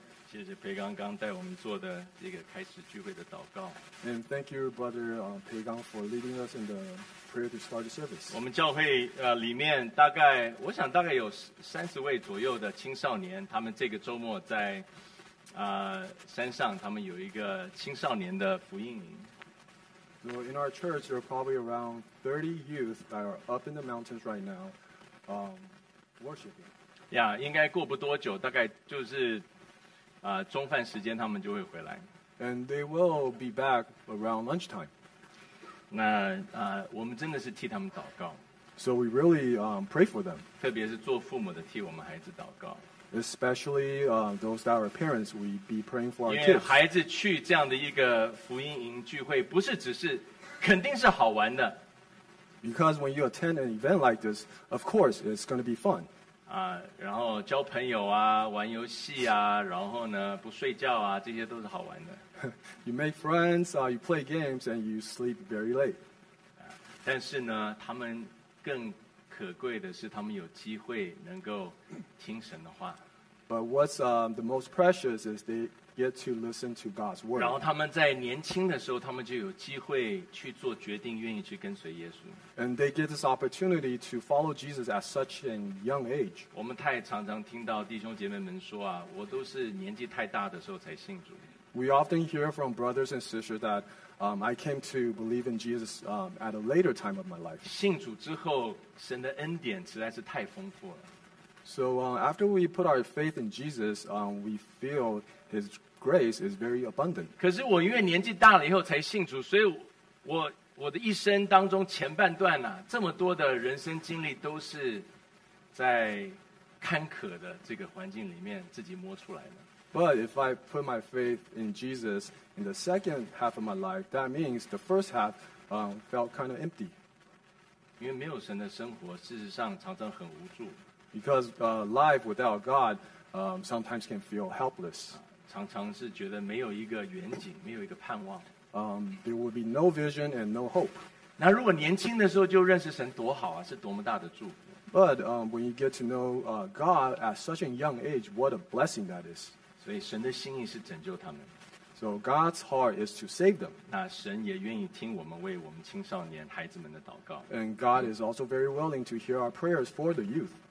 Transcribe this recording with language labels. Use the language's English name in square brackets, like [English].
[Chinese] 谢谢裴刚刚带我们做的这个开始聚会的祷告。 [English] And thank you, brother, 裴刚 for leading us in the prayer to start the service. [Chinese] 我们教会里面大概，我想大概有30位左右的青少年，他们这个周末在山上，他们有一个青少年的福音营。 [English] So in our church, there are probably around 30 youth that are up in the mountains right now, worshiping. [Chinese] Yeah, 应该过不多久，大概就是中饭时间他们就会回来。 [English] And they will be back around lunchtime. [Chinese] 那我们真的是替他们祷告。 [English] So we really pray for them. [Chinese] 特别是做父母的替我们孩子祷告。 [English] Especially those that are parents, we be praying for our kids. [Chinese] 因为孩子去这样的一个福音营聚会，不是只是，肯定是好玩的。 [English] Because when you attend an event like this, of course, it's going to be fun. [Chinese] 然后交朋友啊，玩游戏啊，然后呢，不睡觉啊，这些都是好玩的。 [English] You make friends, you play games, and you sleep very late. [Chinese] 但是呢，他们更可贵的是他们有机会能够听神的话。 [English] But what's the most precious is they get to listen to God's word. [Chinese] 然后他们在年轻的时候，他们就有机会去做决定，愿意去跟随耶稣。 [English] And they get this opportunity to follow Jesus at such a young age. [Chinese] 我们太常常听到弟兄姐妹们说啊，我都是年纪太大的时候才信主。 [English] We often hear from brothers and sisters that I came to believe in Jesus at a later time of my life. [Chinese] 信主之后，神的恩典实在是太丰富了。 [English] So after we put our faith in Jesus, we feel His grace is very abundant. [Chinese] 可是我因为年纪大了以后才信主，所以我的一生当中前半段呢，这么多的人生经历都是在坎坷的这个环境里面自己摸出来的。 [English] But if I put my faith in Jesus in the second half of my life, that means the first half felt kind of empty. [Chinese] 因为没有神的生活，事实上常常很无助。 [English] Because life without God sometimes can feel helpless. [Chinese] 常常是觉得没有一个远景，没有一个盼望。 [English] There would be no vision and no hope. [Chinese] 那如果年轻的时候就认识神多好啊，是多么大的祝福。 [English] But when you get to know God at such a young age, what a blessing that is. [Chinese] 所以神的心意是拯救他们。 [English] So God's heart is to save them. [Chinese] 那神也愿意听我们为我们青少年孩子们的祷告。 [English] And God is also very willing to hear our prayers for the youth.